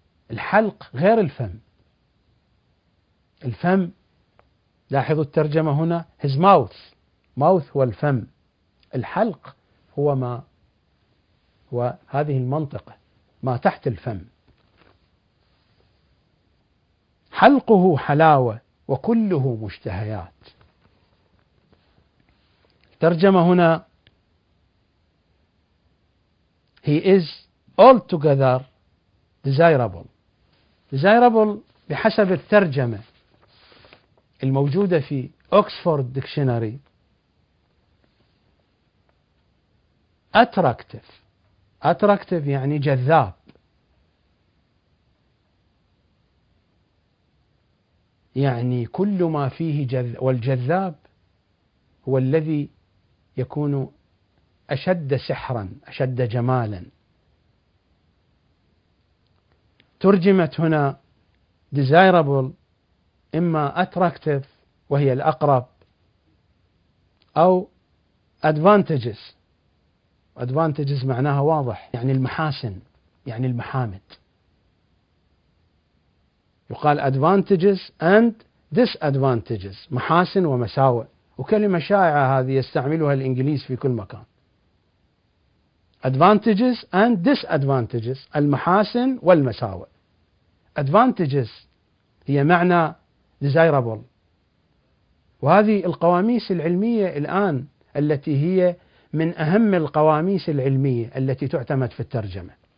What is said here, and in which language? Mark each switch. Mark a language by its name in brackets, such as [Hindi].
[Arabic] الحلق غير الفم. الفم، لاحظوا الترجمة هنا، his mouth، mouth هو الفم، الحلق هو ما، وهذه المنطقة ما تحت الفم. حلقه حلاوة وكله مشتهيات. الترجمة هنا [English] he is altogether desirable. [Arabic] desirable بحسب الترجمة الموجودة في أكسفورد ديكشنري attractive. attractive يعني جذاب، يعني كل ما فيه جذاب. والجذاب هو الذي يكون أشد سحرا أشد جمالا. ترجمت هنا desirable إما attractive وهي الأقرب، أو advantages. advantages معناها واضح، يعني المحاسن، يعني المحامد. يقال [English] advantages and disadvantages، [Arabic] محاسن ومساوئ. وكلمة شائعة هذه يستعملها الإنجليز في كل مكان. [English] advantages and disadvantages، [Arabic] المحاسن والمساوئ. advantages هي معنى desirable. وهذه القواميس العلمية الآن التي هي من أهم القواميس العلمية التي تعتمد في الترجمة.